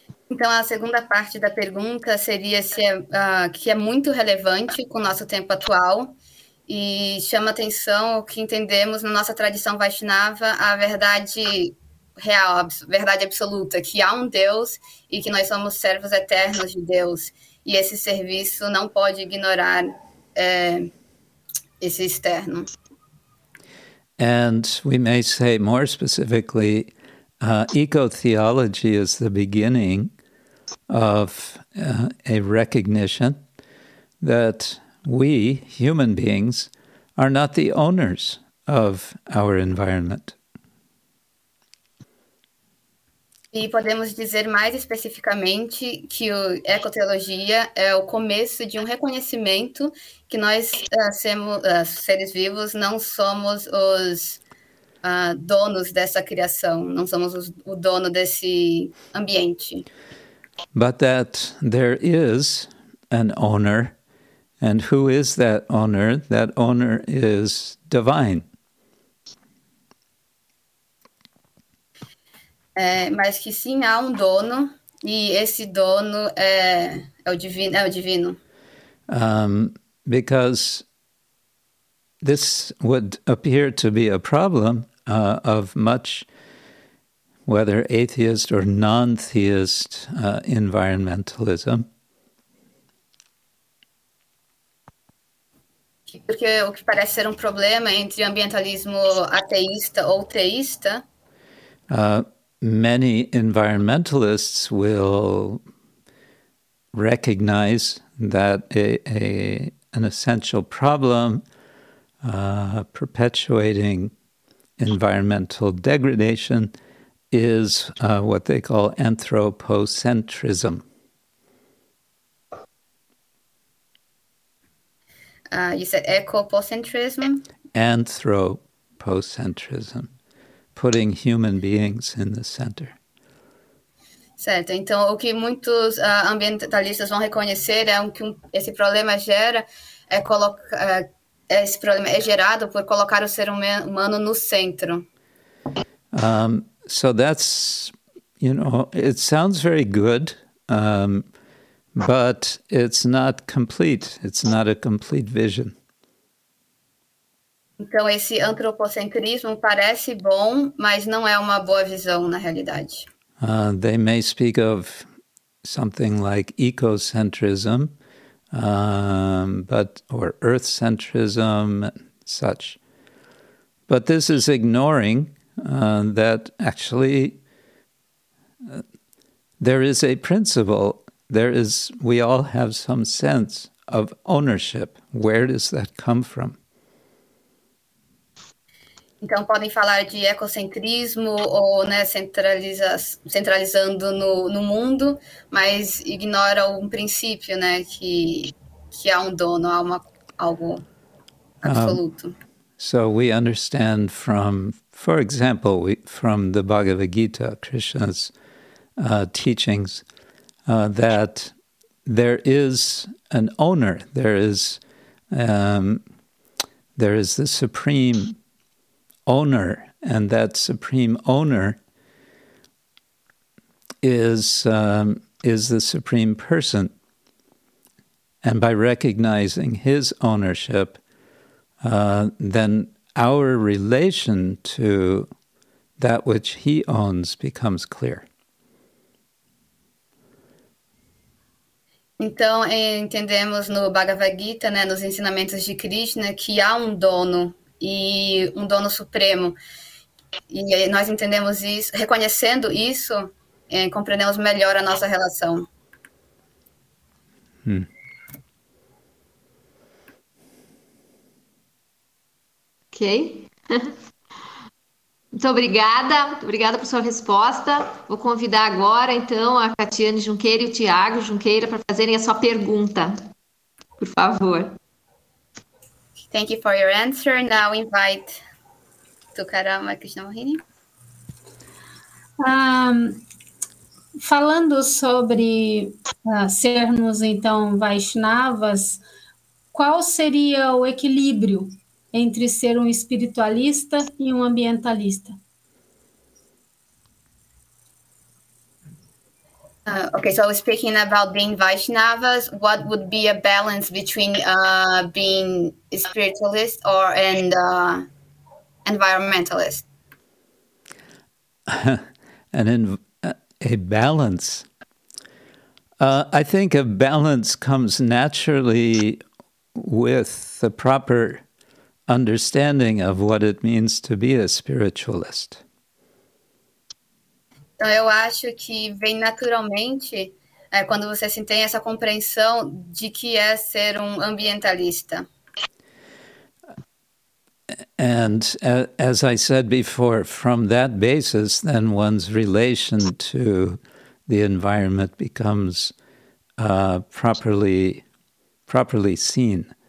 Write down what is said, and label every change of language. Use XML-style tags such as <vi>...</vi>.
<pt>Então, a segunda parte da pergunta seria se é, que é muito relevante com o nosso tempo atual e chama atenção o que entendemos na nossa tradição Vaishnava, a verdade real, a verdade absoluta, que há um Deus e que nós somos servos eternos de Deus. E esse serviço não pode ignorar esse externo.</pt> <en>And we may say more specifically, eco-theology is the beginning of a recognition that we, human beings, are not the owners of our environment.</en> <pt>E podemos dizer mais especificamente que a ecoteologia é o começo de um reconhecimento que nós, somos seres vivos, não somos os donos dessa criação, não somos o dono desse ambiente.</pt> <en>But that there is an owner, and who is that owner? That owner is divine.</en> <pt>Mas que sim, há dono, e esse dono é o divino.</pt> <en>Because this would appear to be a problem of much, whether atheist or non-theist environmentalism.</en> <pt>Porque o que parece ser problema entre ambientalismo ateísta ou teísta,</pt> <en>many environmentalists will recognize that an essential problem perpetuating environmental degradation is what they call anthropocentrism. You said ecopocentrism? Anthropocentrism. post-centrism, putting human beings in the center.</en> <pt>Certo, então o que muitos ambientalistas vão reconhecer é que esse problema gera é esse problema é gerado por colocar o ser humano no centro.</pt> <en>So that's, you know, it sounds very good, but it's not complete. It's not a complete vision.</en> <pt>Então esse antropocentrismo parece bom, mas não é uma boa visão na realidade.</pt> <en>They may speak of something like ecocentrism, or earth-centrism, such. But this is ignoring that actually there is a principle. We all have some sense of ownership. Where does that come from?</en> <pt>Então, podem falar de ecocentrismo ou né, centralizando no mundo, mas ignora um princípio, né, que há um dono, há algo absoluto.</pt> <en>So we understand from, for example, from the Bhagavad Gita, Krishna's teachings, that there is an owner, there is the supreme owner, and that supreme owner is the supreme person. And by recognizing his ownership, then our relation to that which he owns becomes clear.</en> <pt>Então, entendemos no Bhagavad Gita, né, nos ensinamentos de Krishna, que há um dono, e um dono supremo. E nós entendemos isso, reconhecendo isso, compreendemos melhor a nossa relação. Ok. Muito obrigada. Muito obrigada por sua resposta. Vou convidar agora, então, a Catiane Junqueira e o Tiago Junqueira para fazerem a sua pergunta. Por favor.</pt> <en>Thank you for your answer. Now invite Tukarama Krishnamurthy.</en> <pt>Falando sobre sermos, então, Vaishnavas, qual seria o equilíbrio entre ser um espiritualista e um ambientalista?</pt> <en>Okay, so speaking about being Vaishnavas, what would be a balance between being spiritualist or and environmentalist? A balance. I think a balance comes naturally with the proper understanding of what it means to be a spiritualist.</en> <pt>Então, eu acho que vem naturalmente quando você assim, tem essa compreensão de que é ser ambientalista.</pt> <en>And as I said before, from that basis, then one's relation to the environment becomes properly seen.</en>